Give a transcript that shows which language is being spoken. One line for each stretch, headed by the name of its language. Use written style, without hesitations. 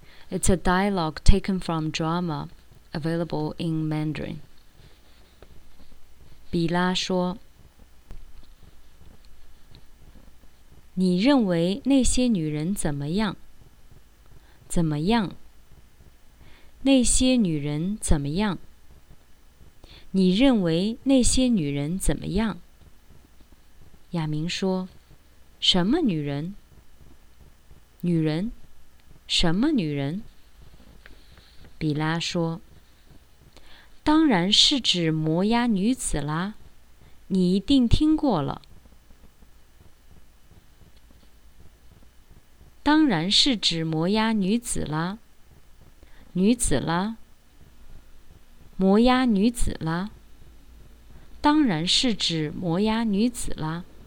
English: It's a dialogue taken from drama, available in Mandarin.
Chinese: 比拉说，你认为那些女人怎么样？怎么样？那些女人怎么样？你认为那些女人怎么样？亚明说，什么女人？女人？什么女人？比拉说，当然是指摩押女子啦，你一定听过了。当然是指摩押女子啦，女子啦，摩押女子啦，当然是指摩押女子啦。